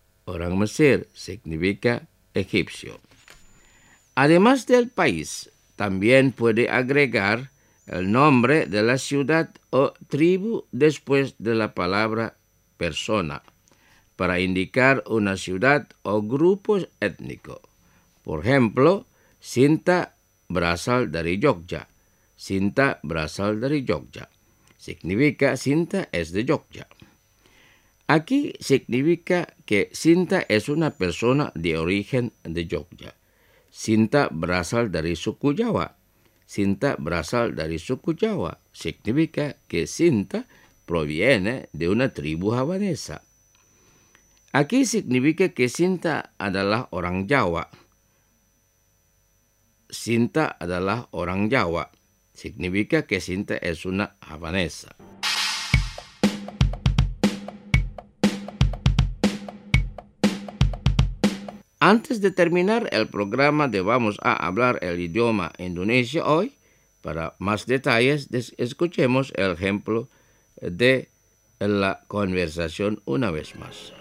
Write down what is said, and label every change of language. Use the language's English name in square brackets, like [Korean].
[Indonesian] Orang Mesir [Spanish] significa egipcio. Además del país, también puede agregar el nombre de la ciudad o tribu después de la palabra persona, para indicar una ciudad o grupo étnico. Por ejemplo, [Indonesian] Cinta berasal dari Jogja. Cinta berasal dari Jogja. [Spanish] Significa Cinta es de Jogja. Aquí significa que Cinta es una persona de origen de Jogja. [Indonesian] Cinta berasal dari suku Jawa. Cinta berasal dari suku Jawa. [Spanish] Significa que Cinta proviene de una tribu javanesa. Aquí significa que Cinta [Indonesian] adalah orang Jawa. Cinta adalah orang Jawa. [Spanish] Significa que Cinta es una javanesa. Antes de terminar el programa, vamos a hablar el idioma indonesio hoy. Para más detalles, escuchemos el ejemplo de la conversación una vez más.